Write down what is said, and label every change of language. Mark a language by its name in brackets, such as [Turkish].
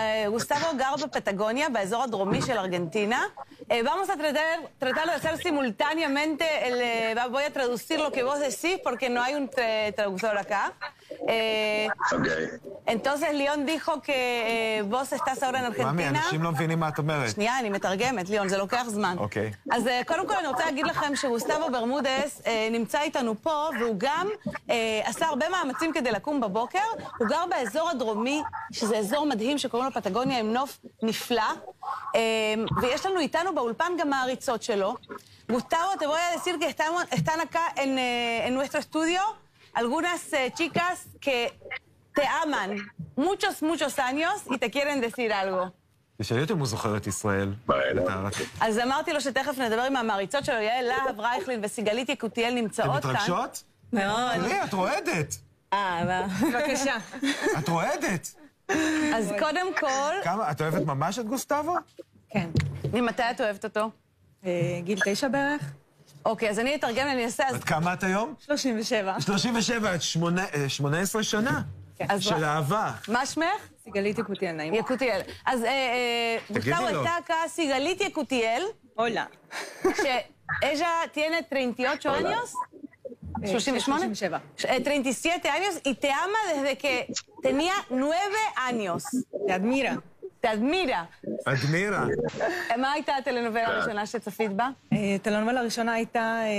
[Hebrew] גוסטבו גר בפטגוניה, באזור הדרומי של ארגנטינה. [Spanish] Vamos a tratar de hacer simultáneamente, voy a traducir lo que vos decís porque no hay un traductor acá. [English] Okay. [Spanish] Entonces León dijo que vos estás ahora en Argentina. [Hebrew] Mami, אנשים לא מבינים מה את אומרת. שנייה, אני מתרגמת, León, זה לוקח זמן. [English] Okay. [Hebrew] אז קודם כל אני רוצה להגיד לכם שגוסטבו ברמודס נמצא איתנו פה, והוא גם עשה הרבה מאמצים כדי לקום בבוקר. הוא גר באזור הדרומי, שזה אזור מדהים שקוראים לו פטגוניה עם נוף נפלא. ויש לנו איתנו באולפן גם מעריצות שלו. [Spanish] גוסטבו, te voy a decir que están acá en nuestro estudio algunas chicas que te aman muchos muchos años y te quieren decir algo. [Hebrew] ושאלתם הוא זוכר את ישראל. אז אמרתי לו שתכף נדבר עם המעריצות שלו, יעל להב רייכלין וסיגלית יקוטיאל נמצאות כאן. אתם מתרגשות? מאוד. תראי, את רועדת. בבקשה. את רועדת. אז קודם כל... כמה, את אוהבת ממש את גוסטבו? כן. ממתי את אוהבת אותו? גיל 9 בערך. אוקיי, אז אני אתרגם, אני אעשה... עד כמה את היום? 37. 37, את 18 שנה של אהבה. מה שמך? סיגלית יקוטיאל, נעימה. יקוטיאל. אז גוסטבו הייתה כאן סיגלית יקוטיאל. [Spanish] הולה. [Hebrew] שאיזה תהיינה 38 [Spanish] años? [Hebrew] 38? [Spanish] 37 años, y te ama desde que tenía 9 años. Te admira. Te admira. Admira. [Hebrew] ¿Mai הייתה הטלנובלה הראשונה שצפית בה? הטלנובלה הראשונה הייתה...